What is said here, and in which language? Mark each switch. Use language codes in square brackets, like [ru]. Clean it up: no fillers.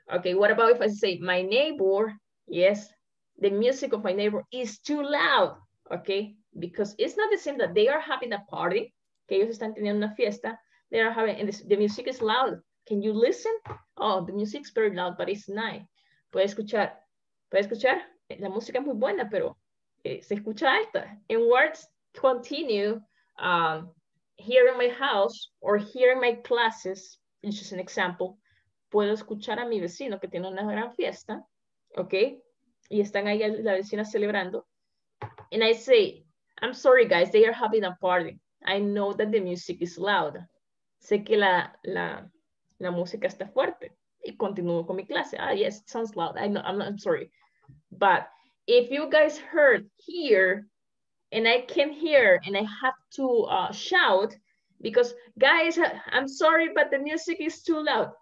[en] Okay, what about if I say my neighbor, yes, the music of my neighbor is too loud, okay? Because it's not the same that they are having a party, [es] que ellos están teniendo una fiesta, [en] they are having, and the music is loud. Can you listen? Oh, the music's very loud, but it's nice. [es] Puede escuchar, puede escuchar, la música es muy buena, pero, se escucha alta. [en] And words continue here in my house or here in my classes. It's just an example. [es] Puedo escuchar a mi vecino que tiene una gran fiesta, okay? Y están ahí la vecina celebrando. [en] And I say, I'm sorry, guys, they are having a party. I know that the music is loud. [es] Sé que la música está fuerte. Y continúo con mi clase. [en] Ah, yes, it sounds loud. I know, I'm sorry. But if you guys heard here, and I can hear, and I have to shout, because guys, I'm sorry, but the music is too loud.